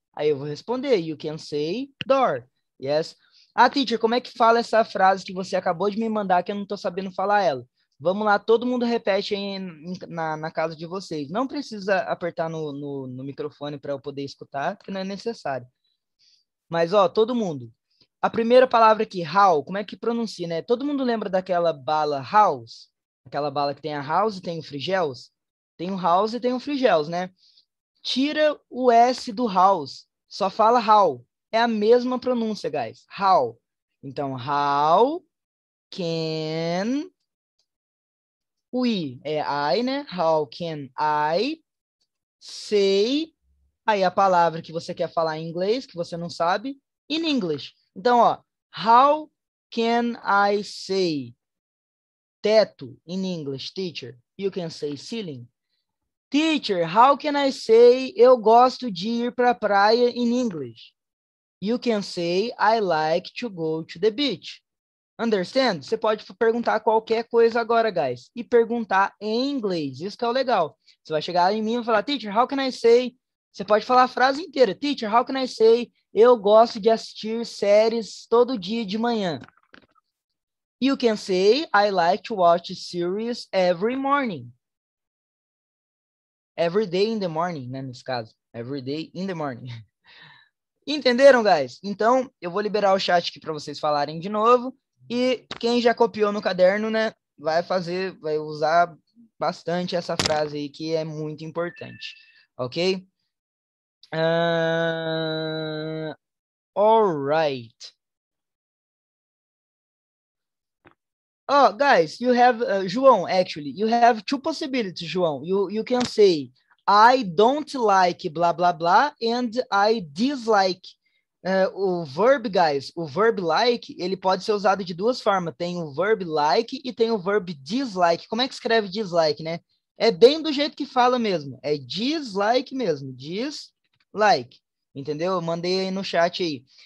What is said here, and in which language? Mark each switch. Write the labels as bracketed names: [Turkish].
[Portuguese] Aí eu vou responder, [English] you can say door, yes? [Portuguese] Ah, teacher, como é que fala essa frase que você acabou de me mandar que eu não tô sabendo falar ela? Vamos lá, todo mundo repete aí na casa de vocês. Não precisa apertar no microfone para eu poder escutar, porque não é necessário. Mas, ó, todo mundo. A primeira palavra aqui, how, como é que pronuncia, né? Todo mundo lembra daquela bala house? Aquela bala que tem a house e tem o frigels? Tem o house e tem o frigels, né? Tira o S do house, só fala how. É a mesma pronúncia, guys. How. Então, how can... [English] We, é I, né? How can I say... [Portuguese] Aí a palavra que você quer falar em inglês, que você não sabe, [English] in English. [Portuguese] Então, ó, [English] how can I say teto in English, teacher? You can say ceiling. Teacher, how can I say [Portuguese] eu gosto de ir para a praia [English] in English? You can say I like to go to the beach. Understand? [Portuguese] Você pode perguntar qualquer coisa agora, guys. E perguntar em inglês. Isso que é o legal. Você vai chegar em mim e falar, [English] teacher, how can I say? [Portuguese] Você pode falar a frase inteira. [English] Teacher, how can I say? [Portuguese] Eu gosto de assistir séries todo dia de manhã. [English] You can say, I like to watch series every morning. Every day in the morning, né? [Portuguese] Nesse caso. [English] Every day in the morning. [Portuguese] Entenderam, guys? Então, eu vou liberar o chat aqui para vocês falarem de novo. E quem já copiou no caderno, né, vai usar bastante essa frase aí, que é muito importante, ok? [English] All right. Oh, guys, you have, João, actually, you have two possibilities, João. You can say, I don't like blah, blah, blah, and I dislike. [Portuguese] O verb, guys, o verb like, ele pode ser usado de duas formas. Tem o verb like e tem o verb dislike. Como é que escreve dislike, né? É bem do jeito que fala mesmo. É dislike mesmo. Dislike. Entendeu? Eu mandei aí no chat aí.